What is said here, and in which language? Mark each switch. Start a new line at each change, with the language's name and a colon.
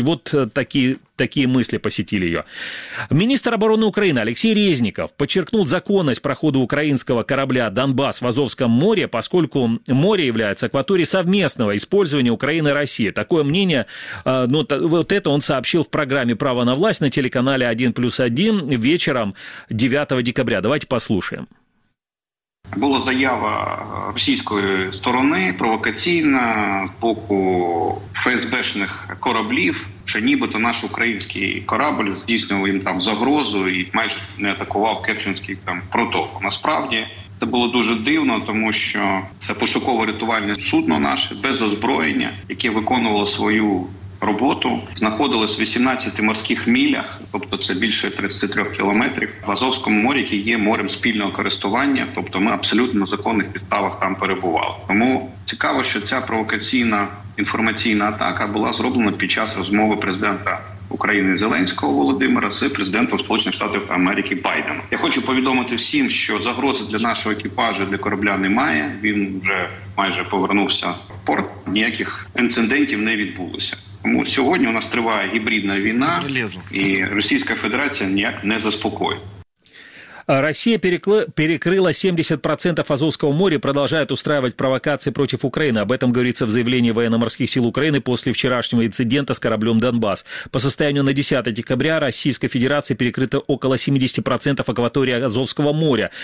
Russian: Вот такие мысли посетили ее. Министр обороны Украины Алексей Резников подчеркнул законность прохода украинского корабля «Донбасс» в Азовском море, поскольку море является акваторией совместного использования Украины и России. Такое мнение, вот это он сообщил в программе «Право на власть» на телеканале 1+1 вечером 9 декабря. Давайте послушаем.
Ukrainian: Була заява російської сторони провокаційна з боку ФСБшних кораблів, що нібито наш український корабль здійснював їм там загрозу і майже не атакував Керченський там проток. Насправді це було дуже дивно, тому що це пошуково-рятувальне судно наше без озброєння, яке виконувало свою роботу, знаходилось в 18 морських милях, тобто це більше 33 кілометрів, в Азовському морі, яке є морем спільного користування, тобто ми абсолютно на законних підставах там перебували. Тому цікаво, що ця провокаційна інформаційна атака була зроблена під час розмови президента України Зеленського Володимира з президентом Сполучених Штатів Америки Байденом. Я хочу повідомити всім, що загрози для нашого екіпажу, для корабля немає, він вже майже повернувся в порт, ніяких інцидентів не відбулося. Тому сьогодні у нас триває гібридна війна, і Російська Федерація ніяк не заспокоїть.
Russian: Россия перекрыла 70% Азовского моря и продолжает устраивать провокации против Украины. Об этом говорится в заявлении военно-морских сил Украины после вчерашнего инцидента с кораблем «Донбасс». По состоянию на 10 декабря Российской Федерации перекрыто около 70% акватории Азовского моря.